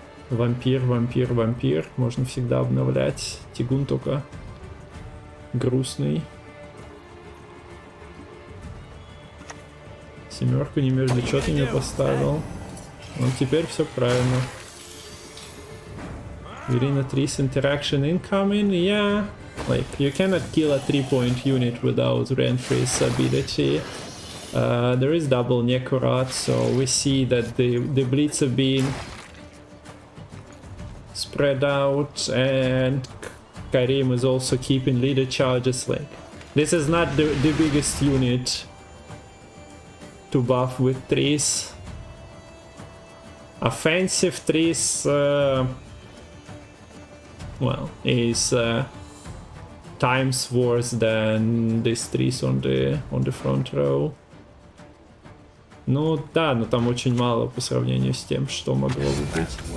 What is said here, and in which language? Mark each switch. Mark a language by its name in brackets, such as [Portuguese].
[Russian] Вампир, вампир, вампир. Можно всегда обновлять. Тигун только грустный. Семерку не между четами поставил. Он теперь все правильно. [English] Верина Трис, interaction incoming, yeah. Like, you cannot kill a 3-point unit without Renfri's ability. There is double Nekurat, so we see that the Blitz have been spread out, and Karim is also keeping leader charges. Like, this is not the biggest unit to buff with Triss. Offensive Triss, well, is... times worse than these trees on the front row. [Russian] Ну да, но там очень мало по сравнению с тем, что могло бы быть.